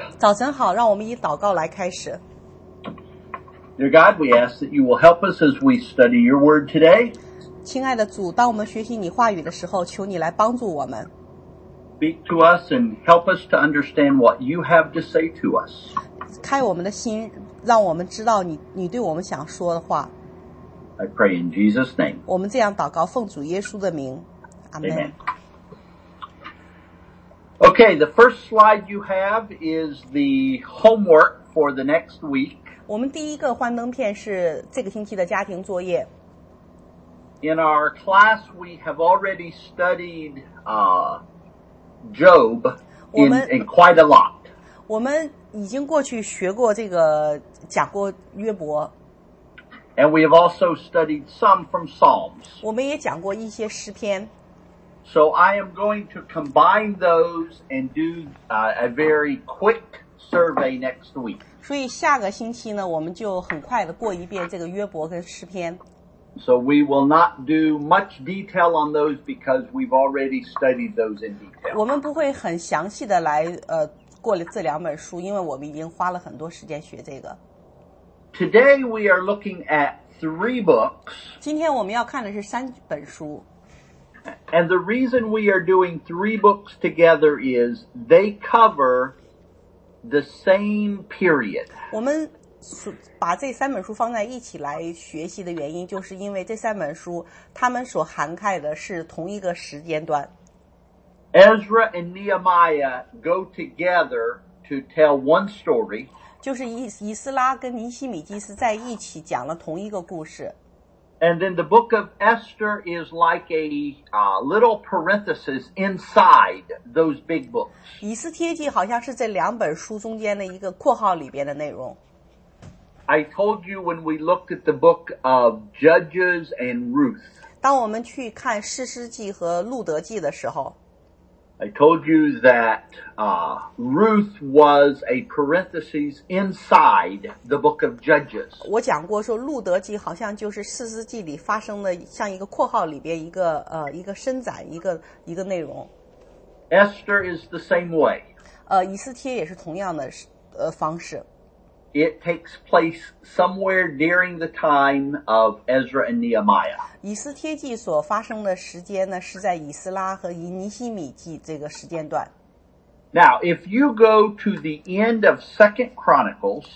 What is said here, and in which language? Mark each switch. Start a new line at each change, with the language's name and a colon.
Chinese: 早晨好，让我们以祷告来开始。
English: Dear God, we ask that you will help us as we study your word today.
Chinese: 亲爱的主，当我们学习你话语的时候，求你来帮助我们。
English: Speak to us and help us to understand what you have to say to us.
Chinese: 开我们的心，让我们知道你对我们想说的话。
English: I pray in Jesus' name.
Chinese: 我们这样祷告，奉主耶稣的名。
English: Amen. Okay, the first slide you have is the homework for the next week.
Chinese: 我们第一个幻灯片是这个星期的家庭作业。
English: In our class, we have already studied, Job in quite a lot.
Chinese: 我们已经过去学过这个，讲过约伯。
English: And we have also studied some from Psalms.
Chinese: 我们也讲过一些诗篇。
English: So I am going to combine those and do a very quick survey next week.
Chinese: 所以下个星期呢，我们就很快的过一遍这个约伯跟诗篇。
English: So we will not do much detail on those because we've already studied those in detail.
Chinese: 我们不会很详细的来过了这两本书，因为我们已经花了很多时间学这个。
English: Today we are looking at three books.
Chinese: 今天我们要看的是三本书。
English: And the reason we are doing three books together is they cover the same period.
Chinese: 我们把这三本书放在一起来学习的原因，就是因为这三本书它们所涵盖的是同一个时间段。
English: Ezra and Nehemiah go together to tell one story.
Chinese: 就是以斯拉跟尼希米基斯在一起讲了同一个故事。
English: And then the book of Esther is like a little parenthesis inside those big books.
Chinese: 以斯帖记好像是这两本书中间的一个括号里边的内容。
English: I told you when we looked at the book of Judges and Ruth.
Chinese: 当我们去看士师记和路德记的时候。
English: I told you that Ruth was a parenthesis inside the book of Judges.
Chinese: 我讲过说路德记好像就是士师记里发生的像一个括号里边一个伸展一个内容。
English: Esther is the same way.
Chinese: 以斯帖也是同样的方式。
English: It takes place somewhere during the time of Ezra and Nehemiah.
Chinese: 以斯帖记所发生的时间呢，是在以斯拉和以尼希米记这个时间段。
English: Now, if you go to the end of Second Chronicles,